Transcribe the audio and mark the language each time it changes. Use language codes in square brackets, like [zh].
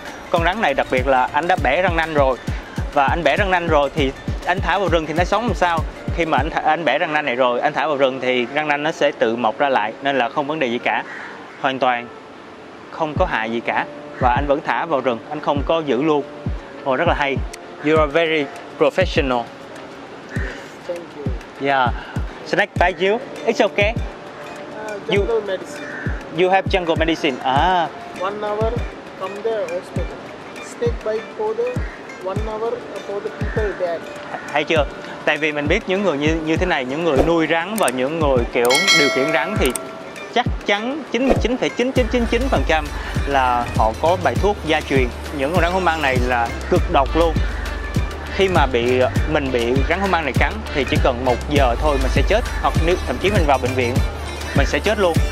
[vi] Con rắn này đặc biệt là anh đã bẻ răng nanh rồi. Và anh bẻ răng nanh rồi thì anh thả vào rừng thì nó sống làm sao. Khi mà anh bẻ răng nanh này rồi, anh thả vào rừng thì răng nanh nó sẽ tự mọc ra lại. Nên là không vấn đề gì cả, hoàn toàn không có hại gì cả. Và anh vẫn thả vào rừng, anh không có giữ luôn. Ồ, rất là hay. [en] You are very professional. Thank you. Yeah. Snack by you, it's okay. Jungle medicine. You have jungle medicine. 1 hour come there hospital. Snake bite for the 1 hour for the people there. [vi] Hay chưa? Tại vì mình biết những người như thế này, những người nuôi rắn và những người kiểu điều khiển rắn thì chắc chắn 99.9999% là họ có bài thuốc gia truyền. Những con rắn hổ mang này là cực độc luôn. Khi mà mình bị rắn hổ mang này cắn thì chỉ cần 1 giờ thôi mình sẽ chết, hoặc nếu thậm chí mình vào bệnh viện mình sẽ chết luôn.